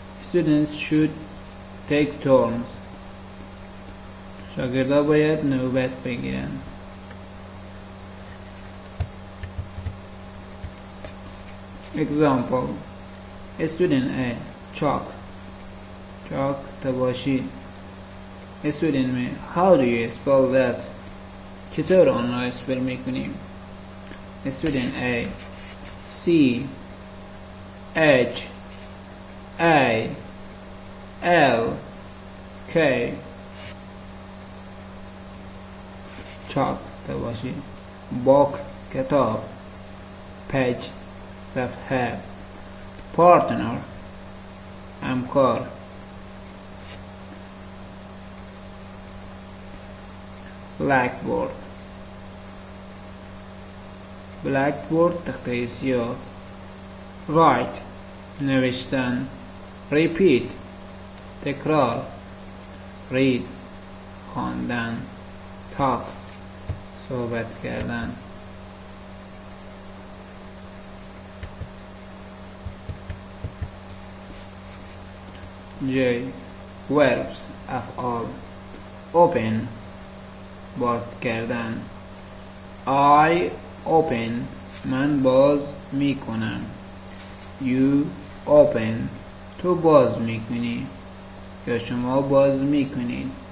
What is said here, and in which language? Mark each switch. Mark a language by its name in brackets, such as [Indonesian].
[English] Students should take turns. [Persian] شاگردا باید نوبت بگیرند. [English] Example: Student A, chalk. Chalk, تباشیر. Student B, how do you spell that? [Persian] چطور آن را اسپل میکنیم؟ [English] Student A, C, H, A, L, K. Chalk, تباشیر. Book, کتاب. Page, صفحه. Partner, همکار. Blackboard, blackboard, تخته سیاه. Write, نوشتن. Repeat, تکرار. [Persian] Read, خواندن. Talk, صحبت کردن. J, verbs, افعال. Open, باز کردن. [English] I open, [Persian] من باز می کنم. [English] You open, [Persian] تو باز می کنی یا شما باز می کنید.